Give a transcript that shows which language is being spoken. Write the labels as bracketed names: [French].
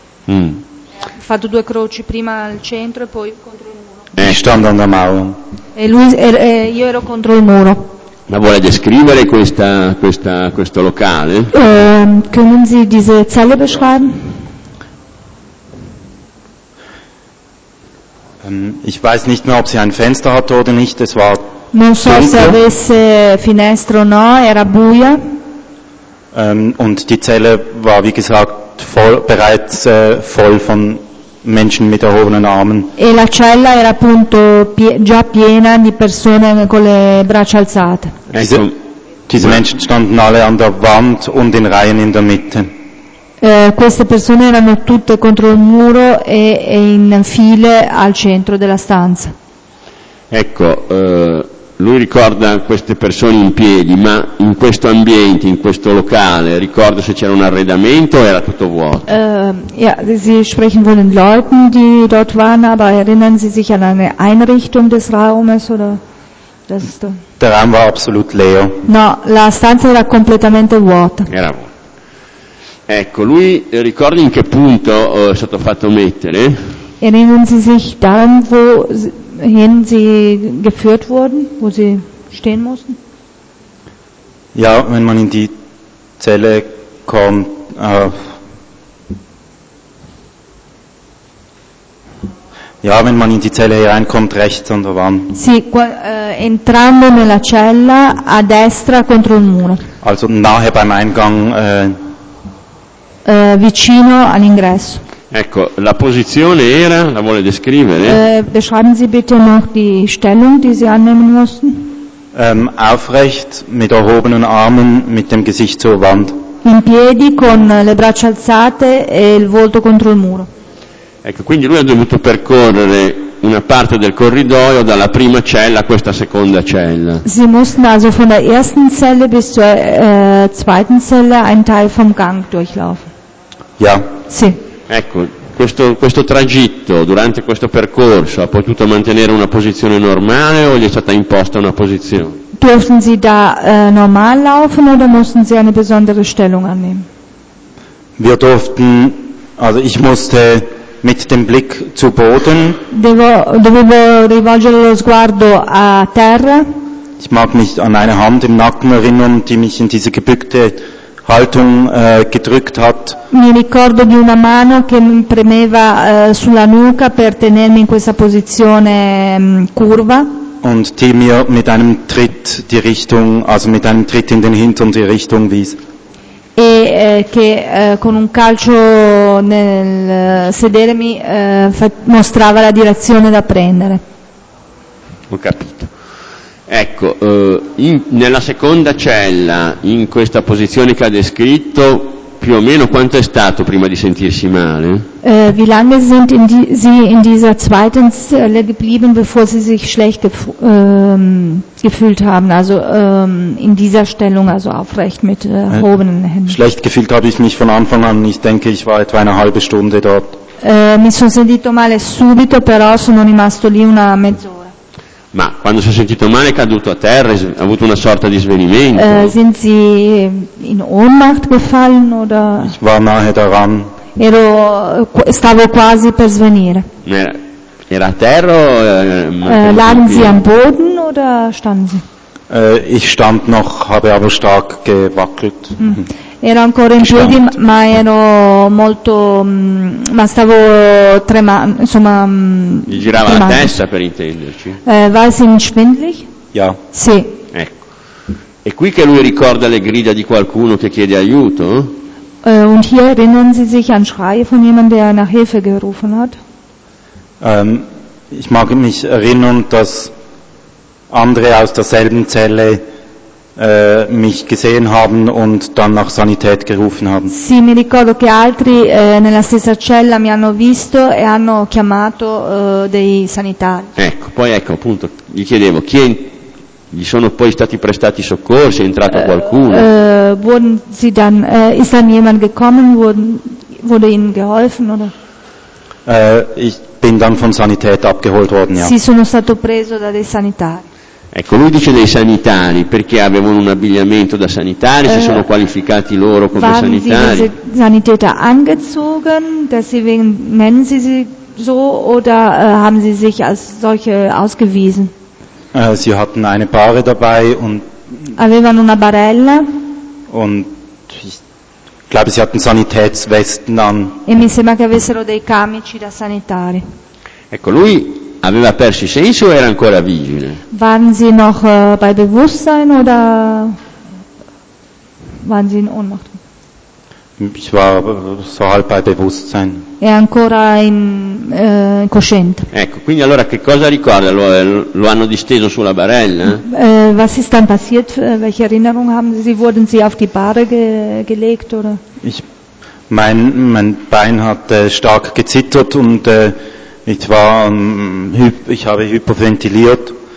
[Italian] Ha fatto due croci prima al centro e poi contro il muro. E lui, io ero contro il muro. Ma vuole descrivere questo locale? [German] Können Sie diese Zelle beschreiben? Ich weiß nicht mehr, ob sie ein Fenster hatte oder nicht. Es war [Italian] non so [German] dunkel. [Italian] Se avesse finestra o no, era buia. [German] Und die Zelle war, wie gesagt, voll von Menschen mit erhobenen Armen. [Italian] E la cella era appunto già piena di persone con le braccia alzate. [German] Diese Menschen standen alle an der Wand und in Reihen in der Mitte. [Italian] Queste persone erano tutte contro il muro e in file al centro della stanza. Ecco, lui ricorda queste persone in piedi, ma in questo ambiente, in questo locale, ricorda se c'era un arredamento o era tutto vuoto? [German] Sie sprechen von den Leuten, die dort waren, aber erinnern Sie sich an eine Einrichtung des Raumes oder das? Der Raum war absolut leer. [Italian] No, la stanza era completamente vuota. Era vuota. Ecco, lui ricorda in che punto è stato fatto mettere? [German] Erinnern Sie sich daran, wohin Sie geführt wurden, wo Sie stehen mussten? Ja, wenn man in die Zelle kommt, wenn man in die Zelle hereinkommt, rechts an der Wand. [Italian] Sì, entrando nella cella a destra contro il muro. [German] Also nahe beim Eingang. [Italian] Vicino all'ingresso. Ecco, la posizione era, la vuole descrivere? [German] Beschreiben Sie bitte noch die Stellung, die Sie annehmen mussten. Aufrecht, mit erhobenen Armen, mit dem Gesicht zur Wand. [Italian] In piedi, con le braccia alzate e il volto contro il muro. Ecco, quindi lui ha dovuto percorrere una parte del corridoio dalla prima cella a questa seconda cella. [German] Sie mussten also von der ersten Zelle bis zur zweiten Zelle einen Teil vom Gang durchlaufen. Ja. [Italian] Sì. Ecco, questo tragitto, durante questo percorso, ha potuto mantenere una posizione normale o gli è stata imposta una posizione? [German] Durften Sie da normal laufen oder mussten Sie eine besondere Stellung annehmen? Wir durften, also ich musste mit dem Blick zu Boden. [Italian] Dovevo rivolgere lo sguardo a terra. [German] Ich mag mich an eine Hand im Nacken erinnern, die mich in diese gebückte Haltung gedrückt hat. [Italian] Mi ricordo di una mano che mi premeva sulla nuca per tenermi in questa posizione curva. [German] Und die mir mit einem Tritt die Richtung, also mit einem Tritt in den Hintern die Richtung wies. [Italian] E che con un calcio nel sedere mi mostrava la direzione da prendere. Ho capito. Ecco, nella seconda cella, in questa posizione che ha descritto, più o meno quanto è stato prima di sentirsi male? [German] Wie lange sind Sie in dieser zweiten Zelle geblieben, bevor Sie sich schlecht gefühlt haben? Also in dieser Stellung, also aufrecht mit erhobenen Händen. Schlecht gefühlt habe ich mich von Anfang an. Ich denke, ich war etwa eine halbe Stunde dort. [Italian] Mi sono sentito male subito, però sono rimasto lì una mezz'ora. Ma quando si è sentito male è caduto a terra, ha avuto una sorta di svenimento. [German] Sind Sie in Ohnmacht gefallen oder? Ich war nahe daran. [Italian] Stavo quasi per svenire. Era a terra? [German] Lagen Sie am Boden o oder standen Sie? Ich stand noch, habe aber stark gewackelt. [Italian] Ero ancora in piedi, ma ero molto, ma stavo tremando, insomma. Gli girava la testa, per intenderci. [German] War es ihm schwindelig? Ja. [Italian] Sì. Ecco. È qui che lui ricorda le grida di qualcuno che chiede aiuto? [German] Und hier erinnern Sie sich an Schreie von jemandem, der nach Hilfe gerufen hat? Ich mag mich erinnern, dass andere aus derselben Zelle mich gesehen haben und dann nach Sanität gerufen haben. [Italian] Sì, mi ricordo che altri nella stessa cella mi hanno visto e hanno chiamato dei sanitari. Ecco, poi ecco, appunto, gli chiedevo chi è in... gli sono poi stati prestati soccorsi, è entrato qualcuno? [German] Wurden sie dann ist dann jemand gekommen, wurde ihnen geholfen oder? Ich bin dann von Sanität abgeholt worden, ja. [Italian] Sì, sono stato preso da dei sanitari. Ecco, lui dice dei sanitari, perché avevano un abbigliamento da sanitari, si sono qualificati loro come [German] waren [Italian] sanitari. [German] Sie diese Sanitäter angezogen, dass sie wegen, nennen sie sie so, oder haben sie sich als solche ausgewiesen? Sie hatten eine Bare dabei und... [Italian] Avevano una barella. [German] Und ich glaube, sie hatten Sanitätswesten an. [Italian] E mi sembra che avessero dei camici da sanitari. Ecco, lui... aveva perso i sensi o era ancora vigile? [German] Waren sie noch bei Bewusstsein oder waren sie in Ohnmacht? Ich war so halb bei Bewusstsein. [Italian] È ancora in cosciente. Ecco, quindi allora che cosa ricorda? Lo hanno disteso sulla barella? [German] Was ist dann passiert? Welche Erinnerung haben Sie? Wurden Sie auf die Bare gelegt oder? Mein Bein hat stark gezittert und ich habe hyperventiliert.